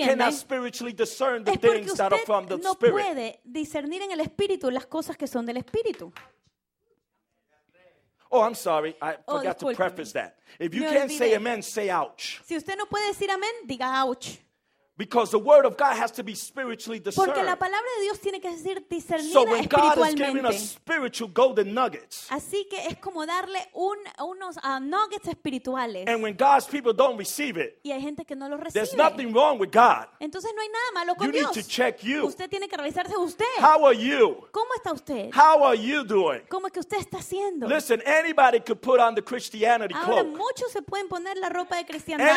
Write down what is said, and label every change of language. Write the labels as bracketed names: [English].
[English] you cannot spiritually discern the things that are from the [Spanish] no [English] Spirit. [Spanish] Puede discernir en el Espíritu las cosas que son del Espíritu. [English] Oh, I'm sorry, I forgot to preface that. If you can't say amen, say ouch. [Spanish] Si usted no puede decir amén, diga ouch. [English] Because the word of God has to be spiritually discerned. [Spanish] Porque la palabra de Dios tiene que ser discernida espiritualmente. [English] So when God is giving us spiritual golden nuggets. [Spanish] Así que es como darle unos nuggets espirituales. [English] And when God's people don't receive it. [Spanish] Y hay gente que no lo recibe. [English] There's nothing wrong with God. [Spanish] Entonces no hay nada malo con Dios. [English] You need to check you. [Spanish] Usted tiene que revisarse usted. [English] How are you? [Spanish] ¿Cómo está usted? [English] How are you doing? [Spanish] ¿Cómo es que usted está haciendo? [English] Listen, anybody could put on the Christianity cloak. [Spanish] Ahora muchos se pueden poner la ropa de cristiandad.